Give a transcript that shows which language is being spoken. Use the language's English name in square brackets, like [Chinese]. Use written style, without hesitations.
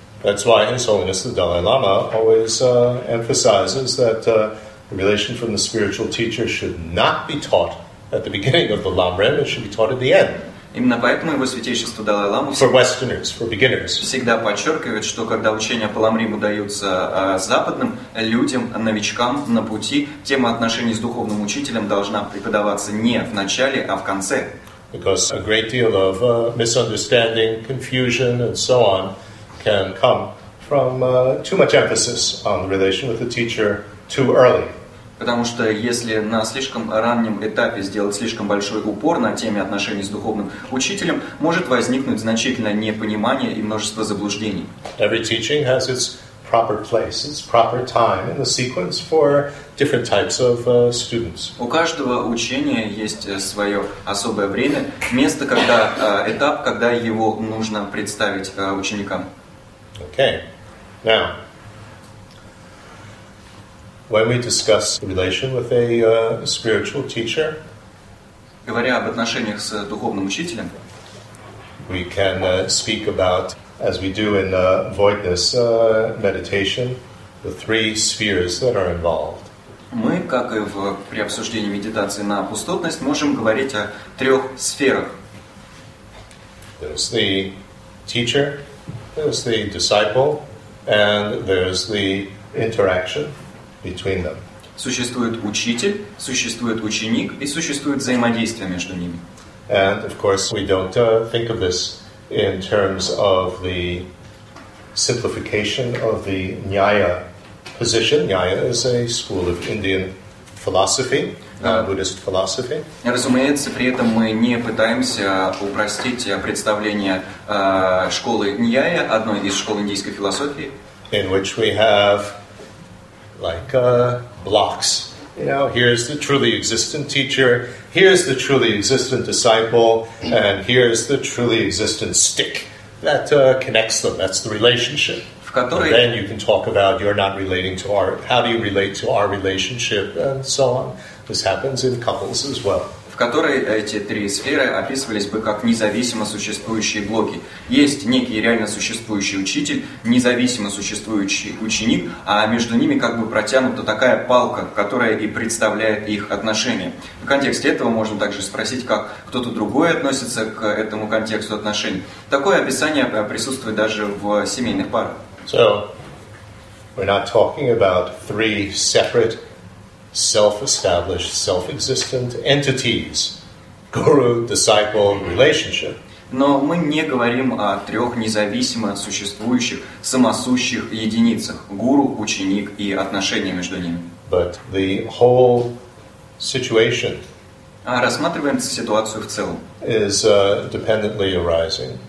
[English] That's why His Holiness the Dalai Lama always emphasizes that the relation from the spiritual teacher should not be taught at the beginning of the Lamrim, it should be taught at the end. [Russian] Именно поэтому его святейшество Далай-Лама всегда подчеркивает, что когда учения по Ламриму даются западным людям, новичкам на пути, тема отношений с духовным учителем должна преподаваться не в начале, а в конце. [English] Because a great deal of misunderstanding, confusion and so on can come from too much emphasis on the relation with the teacher too early. [Russian] Потому что если на слишком раннем этапе сделать слишком большой упор на теме отношений с духовным учителем, может возникнуть значительное непонимание и множество заблуждений. [English] Every teaching has its proper place, its proper time in the sequence for different types of students. [Russian] У каждого учения есть свое особое время, место, когда этап, когда его нужно представить ученикам. [English] Okay. Now, when we discuss the relation with a spiritual teacher, [Russian] говоря об отношениях с духовным учителем, [English] we can speak about, as we do in voidness meditation, the three spheres that are involved. [Russian] Мы, как и при обсуждении медитации на пустотность, можем говорить о трех сферах. [English] There's the teacher, there's the disciple, and there's the interaction. Between them. [Russian] Существует учитель, существует ученик и существует взаимодействие между ними. [English] And of course, we don't think of this in terms of the simplification of the Nyaya position. Nyaya is a school of Indian philosophy, Buddhist philosophy. [Russian] Разумеется, при этом мы не пытаемся упростить представление школы Nyaya, одной из школ индийской философии. [English] In which we have like blocks. You know, here's the truly existent teacher, here's the truly existent disciple, and here's the truly existent stick that connects them. That's the relationship. [Russian] Которой... [English] And then you can talk about you're not relating to our, how do you relate to our relationship, and so on. This happens in couples as well. [Russian] В которой эти три сферы описывались бы как независимо существующие блоки. Есть некий реально существующий учитель, независимо существующий ученик, а между ними как бы протянута такая палка, которая и представляет их отношения. В контексте этого можно также спросить, как кто-то другой относится к этому контексту отношений. Такое описание присутствует даже в семейных парах. [English] So, we're not talking about three separate self-established, self-existent entities, guru, disciple, relationship. [Russian] Но мы не говорим о трех независимо существующих, самосущих единицах, гуру, ученик и отношения между ними. [English] But the whole situation [Russian] рассматриваем ситуацию в целом. [English] Is dependently arising.